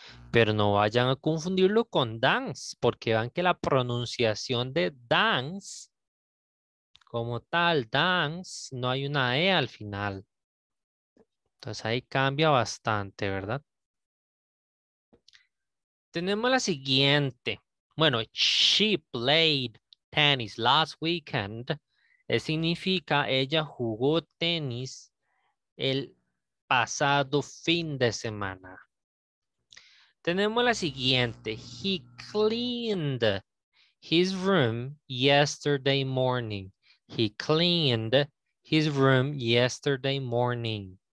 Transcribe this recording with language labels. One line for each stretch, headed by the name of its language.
Spanish: Pero no vayan a confundirlo con dance, porque vean que la pronunciación de dance, como tal, dance, no hay una E al final. Entonces ahí cambia bastante, ¿verdad? Tenemos la siguiente.
English: Bueno, she played tennis last weekend.
Spanish: Significa ella jugó tenis el pasado fin de semana. Tenemos la siguiente.
English: He cleaned his room yesterday morning. He cleaned his room yesterday morning.